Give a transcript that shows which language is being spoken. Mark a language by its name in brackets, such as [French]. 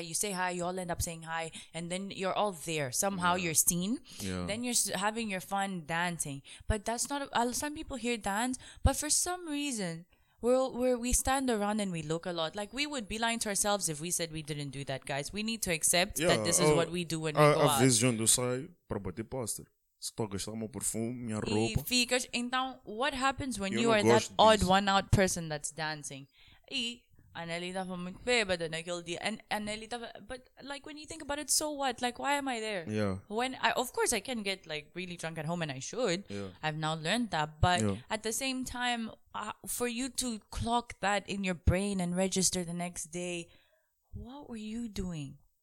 [English] You say hi, you all end up saying hi, and then you're all there. Somehow you're seen. Yeah. Then you're having your fun dancing. But that's not, some people here dance, but for some reason, we stand around and we look a lot. Like, we would be lying to ourselves if we said we didn't do that, guys. We need to accept that this is what we do when we go out. [Portuguese] Às vezes, onde eu saio, para bater póster. Se estou a gastar o meu perfume, minha roupa. E ficas, então, [English] what happens when you are that odd one-out person that's dancing? [Portuguese] E a Nelly estava muito bêbada naquele dia. [English] And a Nelly [Portuguese] estava, [English] but, like, when you think about it, so what? Like, why am I there? Yeah. When I, of course, I can get, like, really drunk at home, and I should. Yeah. I've now learned that. But at the same time, for you to clock that in your brain and register the next day, what were you doing?